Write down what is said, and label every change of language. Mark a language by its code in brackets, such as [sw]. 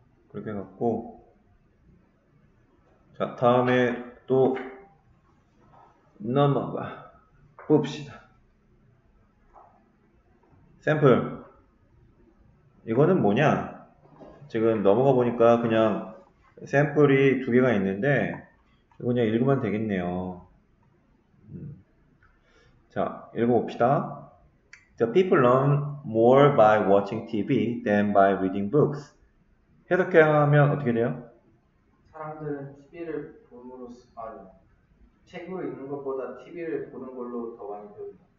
[ko] 그렇게 갖고 자 다음에 또 넘어가 봅시다. 샘플 이거는 뭐냐? 지금 넘어가 보니까 그냥 샘플이 두 개가 있는데 이거 그냥 읽으면 되겠네요. 자 읽어봅시다. [en] The people learn more by watching TV than by reading books. [ko] 해석하면 어떻게 돼요? 사람들은 TV를 보므로써 아니 책을 읽는 것보다 TV를 보는 걸로 더 많이 배운다.